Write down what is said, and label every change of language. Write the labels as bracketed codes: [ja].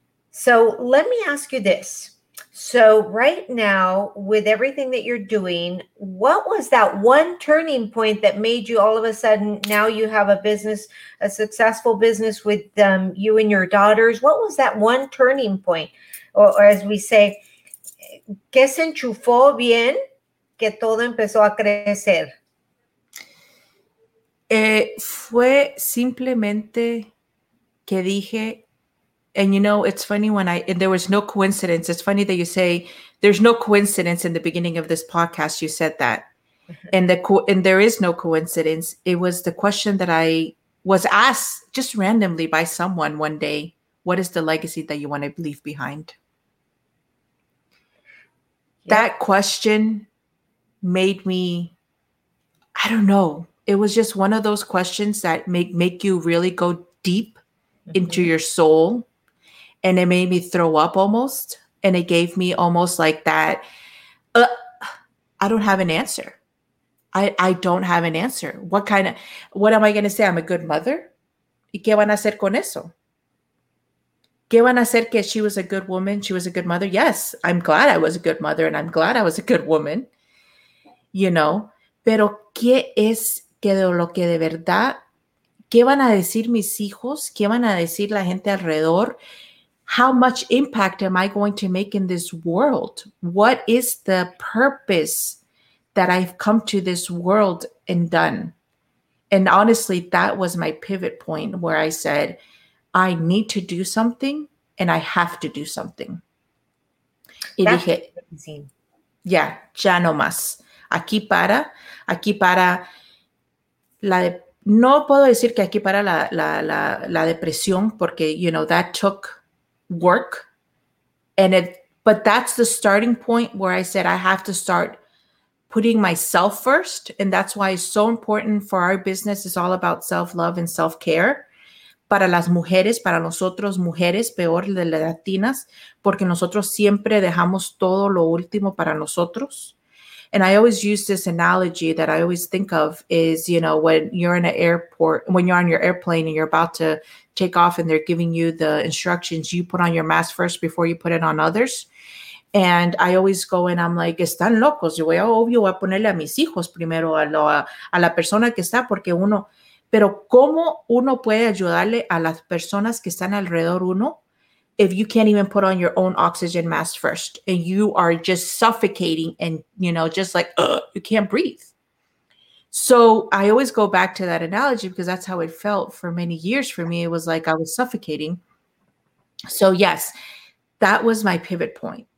[en] So let me ask you this. So right now, with everything that you're doing, what was that one turning point that made you all of a sudden, now you have a business, a successful business with you and your daughters? What was that one turning point? Or as we say, [es] que se enchufó bien, que todo empezó a crecer. Fue simplemente que dije, [en] and you know, it's funny there was no coincidence. It's funny that you say there's no coincidence in the beginning of this podcast. You said that, and there is no coincidence. It was the question that I was asked just randomly by someone one day, what is the legacy that you want to leave behind? Yeah. That question made me, I don't know. It was just one of those questions that make you really go deep into your soul. And it made me throw up almost. And it gave me almost like that, I don't have an answer. I don't have an answer. What am I going to say? I'm a good mother? [es] ¿Y qué van a hacer con eso? ¿Qué van a hacer que [en] she was a good woman? She was a good mother? Yes, I'm glad I was a good mother and I'm glad I was a good woman. You know, [es] pero ¿qué es? Que de lo que de verdad, ¿qué van a decir mis hijos? ¿Qué van a decir la gente alrededor? [en] How much impact am I going to make in this world? What is the purpose that I've come to this world and done? And honestly, that was my pivot point where I said, I need to do something and I have to do something. That's amazing. [es] Yeah, ya no más. Aquí para... no puedo decir que aquí para la depresión, porque, [en] you know, that took work. But that's the starting point where I said I have to start putting myself first. And that's why it's so important for our business. It's all about self-love and self-care. [es] Para las mujeres, para nosotros mujeres, peor de las latinas, porque nosotros siempre dejamos todo lo último para nosotros. [en] And I always use this analogy that I always think of is, you know, when you're in an airport, when you're on your airplane and you're about to take off and they're giving you the instructions, you put on your mask first before you put it on others. And I always go and I'm like, [es] están locos. Yo voy a, obvio, voy a ponerle a mis hijos primero a la persona que está, porque uno, pero ¿cómo uno puede ayudarle a las personas que están alrededor uno? [en] If you can't even put on your own oxygen mask first and you are just suffocating and, you know, just like, you can't breathe. So I always go back to that analogy because that's how it felt for many years for me. It was like I was suffocating. So yes, that was my pivot point.